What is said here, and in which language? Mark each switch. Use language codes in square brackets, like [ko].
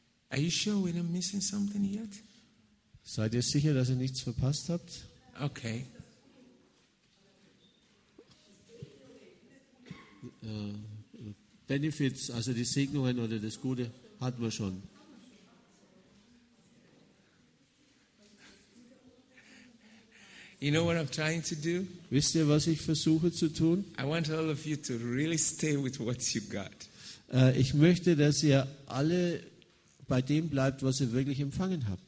[en] Are you sure we're not missing something yet? [de] Seid ihr sicher, dass ihr nichts verpasst habt? [en] Okay. [de] Benefits, also die Segnungen oder das Gute, hatten wir schon. [en] You know what I'm trying to do? [de] Wisst ihr, was ich versuche zu tun? [en] I want all of you to really stay with what you got. [de] Ich möchte, dass ihr alle bei dem bleibt, was ihr wirklich empfangen habt.